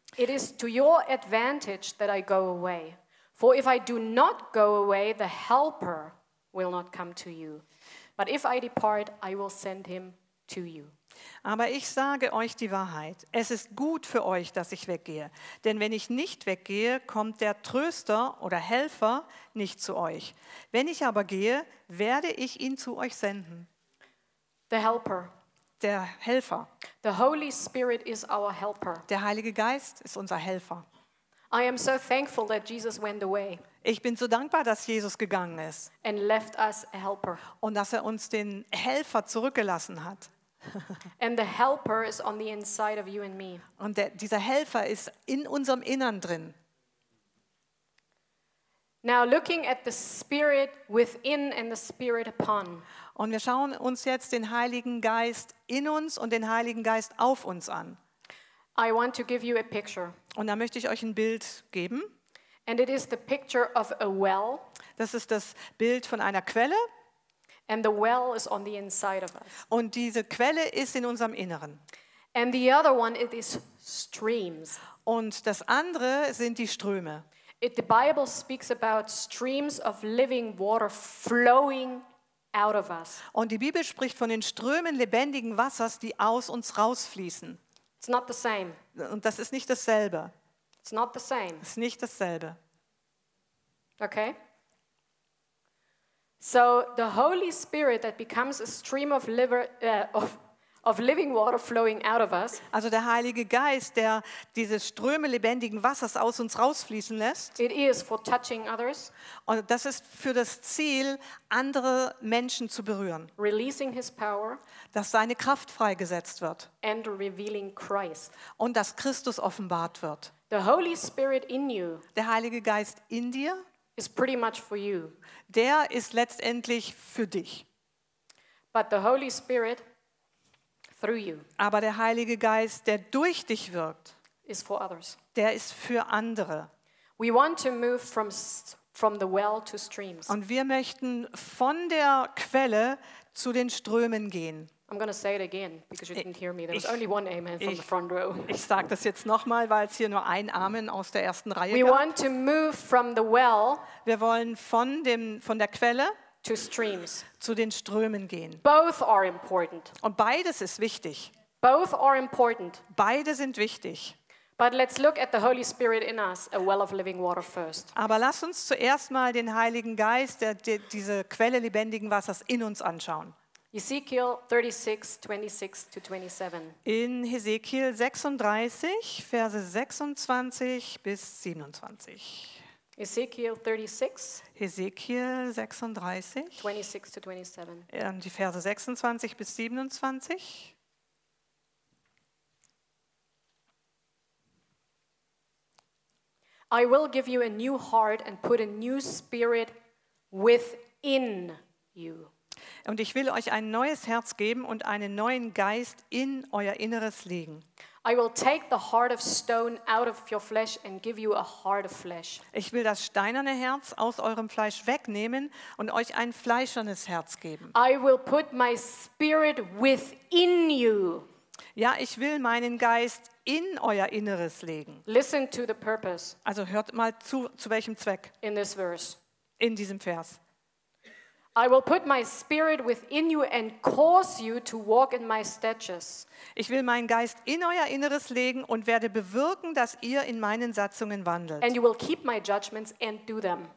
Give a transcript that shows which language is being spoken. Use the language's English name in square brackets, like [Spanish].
[English] It is to your advantage that I go away. For if I do not go away, the Helper will not come to you. But if I depart, I will send him to you. [German] Aber ich sage euch die Wahrheit. Es ist gut für euch, dass ich weggehe. Denn wenn ich nicht weggehe, kommt der Tröster oder Helfer nicht zu euch. Wenn ich aber gehe, werde ich ihn zu euch senden. [English] The Helper. [German] Der Helfer. [English] The Holy Spirit is our helper. [German] Der Heilige Geist ist unser Helfer. [English] I am so thankful that Jesus went away. [German] Ich bin so dankbar, dass Jesus gegangen ist. [English] And left us a helper. [German] Und dass er uns den Helfer zurückgelassen hat. [English] And the helper is on the inside of you and me. [German] Und dieser Helfer ist in unserem Innern drin. [English] Now looking at the Spirit within and the Spirit upon. [German] Und wir schauen uns jetzt den Heiligen Geist in uns und den Heiligen Geist auf uns an. [English] I want to give you a picture. [German] Und da möchte ich euch ein Bild geben. [English] And it is the picture of a well. [German] Das ist das Bild von einer Quelle. [English] And the well is on the inside of us. [German] Und diese Quelle ist in unserem Inneren. [English] And the other one, it is streams. [German] Und das andere sind die Ströme. [English] The Bible speaks about streams of living water flowing out of us. [German] Und die Bibel spricht von den Strömen lebendigen Wassers, die aus uns rausfließen. [English] It's not the same. [German] Und das ist nicht dasselbe. [English] It's not the same. [German] Ist nicht dasselbe. [English] Okay. So the Holy Spirit that becomes a stream of living water flowing out of us. [German] Also der Heilige Geist, der diese Ströme lebendigen Wassers aus uns rausfließen lässt. [English] It is for touching others. [German] Und das ist für das Ziel, andere Menschen zu berühren. [English] Releasing his power. [German] Dass seine Kraft freigesetzt wird. [English] And revealing Christ. [German] Und dass Christus offenbart wird. [English] The Holy Spirit in you. [German] Der Heilige Geist in dir. [English] Is pretty much for you. [German] Der ist letztendlich für dich. [English] But the Holy Spirit through you. [German] Aber der Heilige Geist, der durch dich wirkt, [English] is for others. [German] Der ist für andere. [English] We want to move from the well to streams. [German] Und wir möchten von der Quelle zu den Strömen gehen. [English] I'm going to say it again because you didn't hear me. There was only one amen from the front row. [German] Ich sage das jetzt nochmal, weil es hier nur ein Amen aus der ersten Reihe gab. [English] We want to move from the well. [German] Wir wollen von der Quelle [English] to streams, [German] zu den Strömen gehen. [English] Both are important. [German] Und beides ist wichtig. [English] Both are important. [German] Beide sind wichtig. [English] But let's look at the Holy Spirit in us, a well of living water first. [German] Aber lass uns zuerst mal den Heiligen Geist, der diese Quelle lebendigen Wassers in uns anschauen. [English] Ezekiel 36, 26 to 27. [German] In Hesekiel 36, Verse 26 bis 27. [English] Ezekiel 36. Ezekiel 36. 26 to 27. [German] Die Verse 26 bis 27. [English] I will give you a new heart and put a new spirit within you. [German] Und ich will euch ein neues Herz geben und einen neuen Geist in euer Inneres legen. [English] I will take the heart of stone out of your flesh and give you a heart of flesh. [German] Ich will das steinerne Herz aus eurem Fleisch wegnehmen und euch ein fleischernes Herz geben. [English] I will put my spirit within you. [German] Ja, ich will meinen Geist in euer Inneres legen. [English] Listen to the purpose. [German] Also hört mal zu welchem Zweck. [English] In this verse. [German] In diesem Vers. [English] I will put my spirit within you and cause you to walk in my statutes. [German] Ich will meinen Geist in euer Inneres legen und werde bewirken, dass ihr in meinen Satzungen wandelt. [English] And you will keep my judgments and do them.